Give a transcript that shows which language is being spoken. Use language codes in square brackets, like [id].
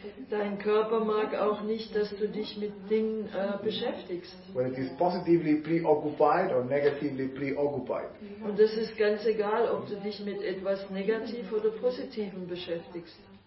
[de] Dein Körper mag auch nicht, dass du dich mit Dingen beschäftigst. [en] When it is positively preoccupied or negatively preoccupied. [de] Und es ist ganz egal, ob du dich mit etwas negativ oder positivem beschäftigst.